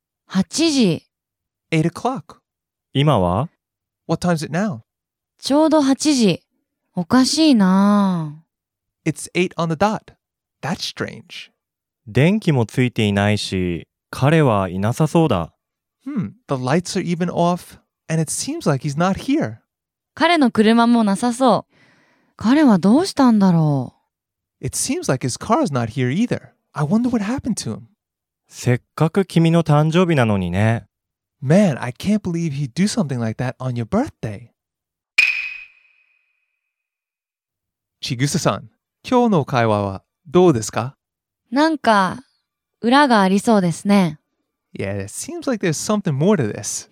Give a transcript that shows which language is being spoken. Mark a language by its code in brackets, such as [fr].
[ja] 8時。 [en] 8 o'clock. [ja] 今は？ [en] What time is it now? [ja] ちょうど8時。おかしいなぁ。 [en] It's 8 on the dot. That's strange. [ja] 電気もついていないし、彼はいなさそうだ。 [en] The lights are even off, and it seems like he's not here. [ja] 彼の車もなさそう。彼はどうしたんだろう。 [en] It seems like his car is not here either. I wonder what happened to him. [ja] せっかく君の誕生日なのにね。 [en] Man, I can't believe he'd do something like that on your birthday. [ja] Chigusa-san, 今日の会話はどうですか？なんか裏がありそうですね。 [en] Yeah, it seems like there's something more to this.